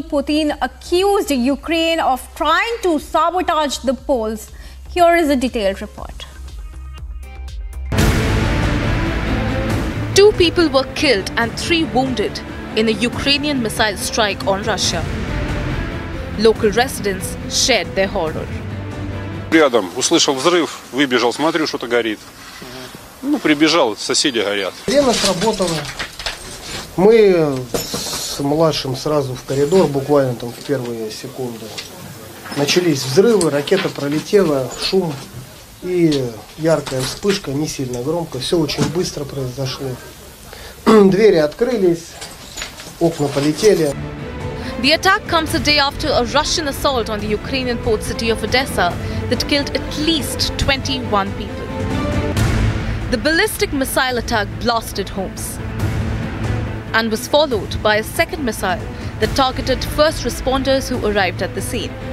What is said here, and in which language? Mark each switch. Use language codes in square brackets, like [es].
[en] Putin accused Ukraine of trying to sabotage the polls. Here is a detailed report. Two people were killed and three wounded in a Ukrainian missile strike on Russia. Local residents shared their horror. [ru] Рядом услышал взрыв, выбежал, смотрю, что-то горит. Ну, прибежал, соседи горят. Лена сработала. Мы с младшим сразу в коридор, буквально там в первые секунды. Начались взрывы, ракета пролетела, шум и яркая вспышка, не сильно громко. Все очень быстро произошло. Двери открылись. [en] The attack comes a day after a Russian assault on the Ukrainian port city of Odessa that killed at least 21 people. The ballistic missile attack blasted homes and was followed by a second missile that targeted first responders who arrived at the scene.